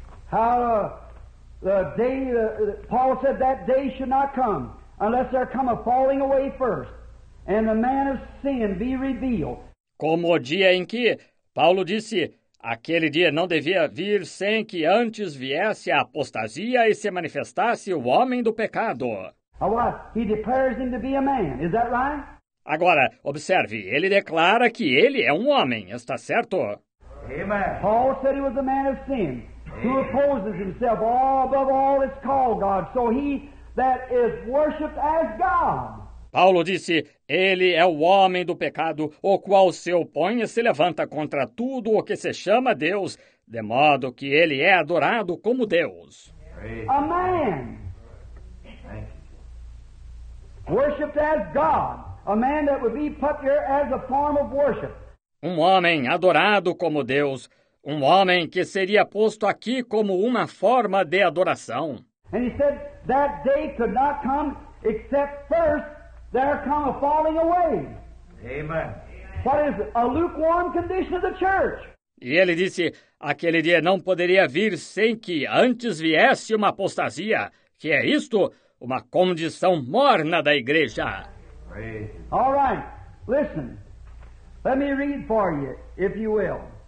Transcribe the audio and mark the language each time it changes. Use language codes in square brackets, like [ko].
[en] How the day Paul said that day should not come unless there come a falling away first, and the man of sin be revealed. [pt] Como o dia em que Paulo disse: aquele dia não devia vir sem que antes viesse a apostasia e se manifestasse o homem do pecado. [en] He declares him to be a man. Is that right? [pt] Agora, observe, ele declara que ele é um homem, está certo? [en] Amen. Paul said he was a man of sin, who opposes himself all above all that's called God, so he that is worshipped as God. [pt] Paulo disse: ele é o homem do pecado, o qual se opõe e se levanta contra tudo o que se chama Deus, de modo que ele é adorado como Deus. [en] A man. Worshipped as God. A man that would be put here as a form of worship. [pt] Um homem adorado como Deus. Um homem que seria posto aqui como uma forma de adoração. [en] And he said that day could not come except first. There come a falling away. Amen. What is a lukewarm condition of the church? [pt] E ele disse: aquele dia não poderia vir sem que antes viesse uma apostasia, que é isto, uma condição morna da igreja. [en] All right, listen. Let me read for you, if you will.